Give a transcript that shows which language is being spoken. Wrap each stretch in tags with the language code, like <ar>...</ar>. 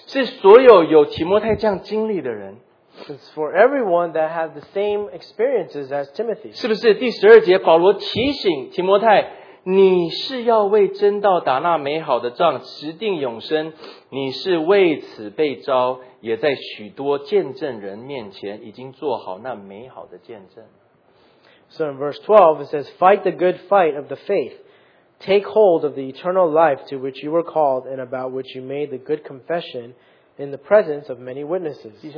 <zh>是所有有提摩太这样经历的人。</zh> <en>It's for everyone that has the same experiences as Timothy.</en> <zh>是不是第十二节保罗提醒提摩太, 你是要为真道打那美好的仗，持定永生，你是为此被召，也在许多见证人面前已经做好那美好的见证。So</zh> <en>in verse 12 it says, Fight the good fight of the faith. Take hold of the eternal life to which you were called and about which you made the good confession in the presence of many witnesses.</en>